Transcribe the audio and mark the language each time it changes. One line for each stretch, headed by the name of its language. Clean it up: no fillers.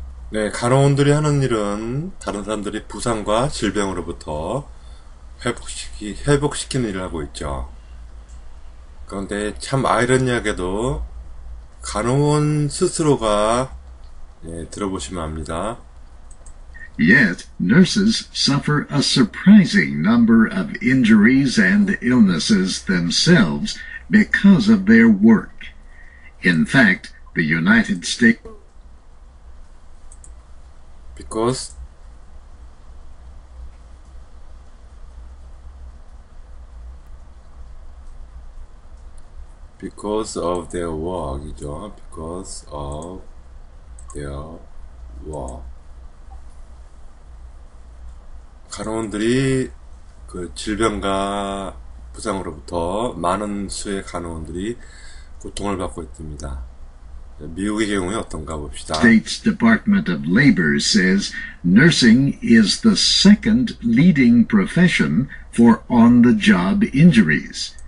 Korean: 네, 간호원들이 하는 일은 다른 사람들이 부상과 질병으로부터 회복시키는 일을 하고 있죠. 그런데 참 아이러니하게도 간호원 스스로가 들어보시면 압니다.
English: Yet, nurses suffer a surprising number of injuries and illnesses themselves because of their work. In fact, the United States Because of their work이죠. Because of their work.
Korean: 간호원들이 그 질병과 부상으로부터 많은 수의 간호원들이 고통을 받고 있습니다. 미국의 경우에 어떤가 봅시다.
English: State's Department of Labor says nursing is the second leading profession for on-the-job injuries.